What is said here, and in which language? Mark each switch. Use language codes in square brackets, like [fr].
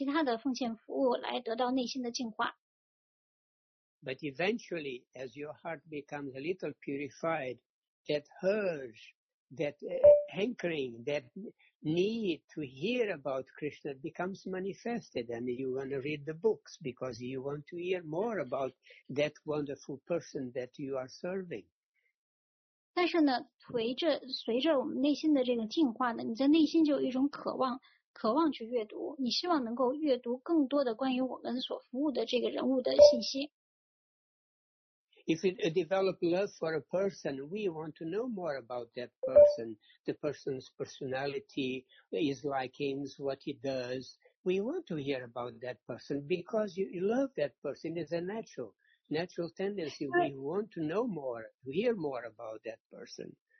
[zh] 那么当然了，在不读书的情况下，你也可以通过从事很多的其他的奉献服务来得到内心的净化。 [en] But eventually, as your heart becomes a little purified, that urge, that hankering, that need to hear about Krishna becomes manifested, and you want to read the books because you want to hear more about that wonderful person that you are serving. [zh] 但是呢，随着我们内心的这个进化呢，你在内心就有一种渴望去阅读，你希望能够阅读更多的关于我们所服务的这个人物的信息。 [en] If we develop love for a person, we want to know more about that person, the person's personality, his likings, what he does. We want to hear about that person because you love that person. It's a natural tendency. We want to know more, to hear more about that person.